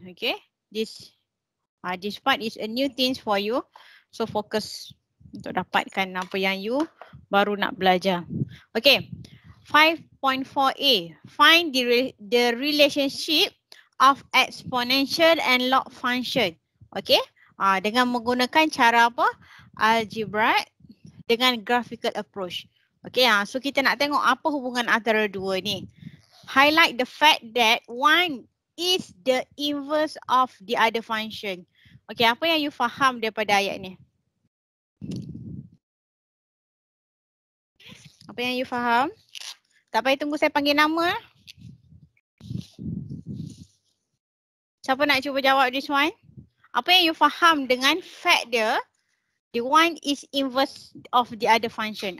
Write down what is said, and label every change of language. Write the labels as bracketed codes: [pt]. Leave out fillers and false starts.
[en] Okay, this part is a new things for you. So focus [ms] untuk dapatkan apa yang you baru nak belajar. [en] Okay, 5.4a, find the relationship of exponential and log function. [ms] Okay, dengan menggunakan cara apa? Algebraic dengan graphical approach. Okay, so kita nak tengok apa hubungan antara dua ni. [en] Highlight the fact that one is the inverse of the other function. [ms] Okay, apa yang you faham daripada ayat ni? Apa yang you faham? Tak payah tunggu saya panggil nama. Siapa nak cuba jawab [en] this one? [ms] Apa yang you faham dengan fact dia? [en] The one is inverse of the other function.